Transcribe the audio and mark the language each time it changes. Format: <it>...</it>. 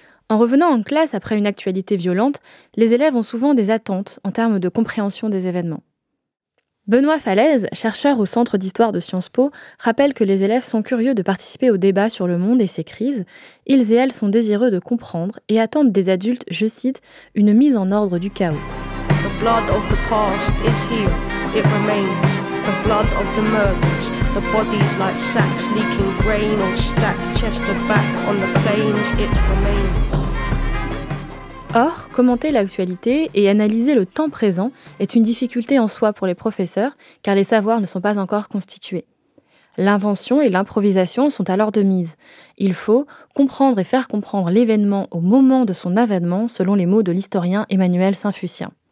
<fr>En revenant en classe après une actualité violente, les élèves ont souvent des attentes en termes de compréhension des événements. Benoît Falaise, chercheur au Centre d'histoire de Sciences Po, rappelle que les élèves sont curieux de participer au débat sur le monde et ses crises. Ils et elles sont désireux de comprendre et attendent des adultes, je cite, « une mise en ordre du chaos ».</fr> <en>The blood of the past is here, it remains. The blood of the murders, the bodies like sacks leaking grain or stacked chest to back on the plains, it remains.</en> <fr>Or, commenter l'actualité et analyser le temps présent est une difficulté en soi pour les professeurs, car les savoirs ne sont pas encore constitués. L'invention et l'improvisation sont alors de mise. Il faut comprendre et faire comprendre l'événement au moment de son avènement, selon les mots de l'historien Emmanuel Saint-Fucien.</fr>